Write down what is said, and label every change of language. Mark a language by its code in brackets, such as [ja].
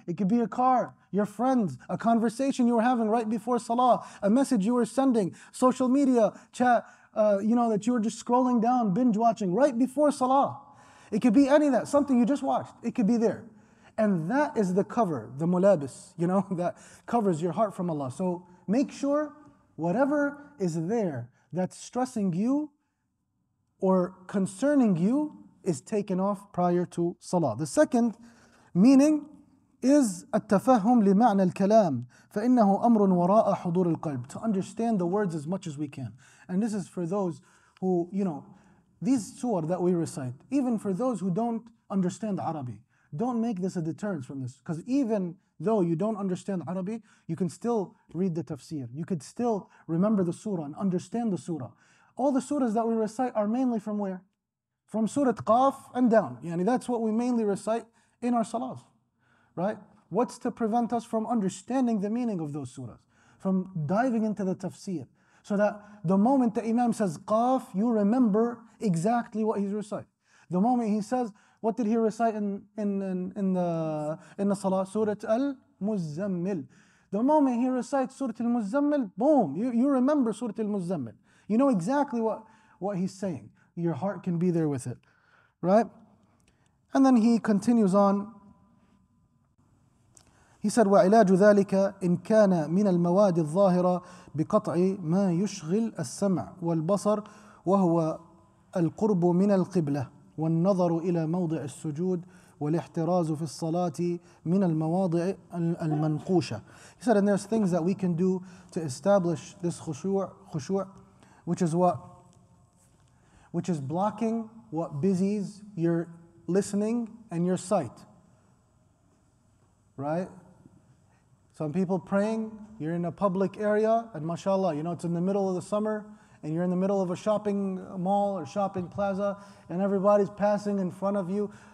[en] It could be your car, your friends, a conversation you were having right before Salah, a message you were sending, social media chat, you know, that you were just scrolling down, binge watching right before Salah. It could be any of that. Something you just watched. It could be there. And that is the cover, the mulabis, you know, that covers your heart from Allah. So make sure whatever is there that's stressing you or concerning you is taken off prior to salah. The second meaning is [ar] التفهم لمعنى الكلام فإنه أمر وراء حضور القلب. [en] To understand the words as much as we can. And this is for those who, you know, these surah that we recite, even for those who don't understand Arabic. Don't make this a deterrence from this. Because even though you don't understand Arabic, you can still read the tafsir. You could still remember the surah and understand the surah. All the surahs that we recite are mainly from where? From Surah Qaf and down. Yani that's what we mainly recite in our salahs. Right? What's to prevent us from understanding the meaning of those surahs? From diving into the tafsir. So that the moment the Imam says Qaf, you remember exactly what he's reciting. The moment he says, what did he recite in the salah? Surah Al-Muzzammil. The moment he recites Surah Al-Muzzammil, boom, you remember Surah Al-Muzzammil. You know exactly what he's saying. Your heart can be there with it. Right? And then he continues on. He said, [ar] وَعِلَاجُ ذَلِكَ إِنْ كَانَ مِنَ الْمَوَادِ الظَّاهِرَةِ بِقَطْعِ مَا يُشْغِلَ السَّمْعَ وَالْبَصَرَ وَهُوَ الْقُرْبُ مِنَ الْقِبْلَةِ والنظر إلى موضع السجود والاحتراز في الصلاة من المواضع المنقوشة. [en] He said, and there's things that we can do to establish this khushu', which is what? Which is blocking what busies your listening and your sight. Right? Some people praying, you're in a public area, and mashallah, you know, it's in the middle of the summer, and you're in the middle of a shopping mall or shopping plaza, and everybody's passing in front of you.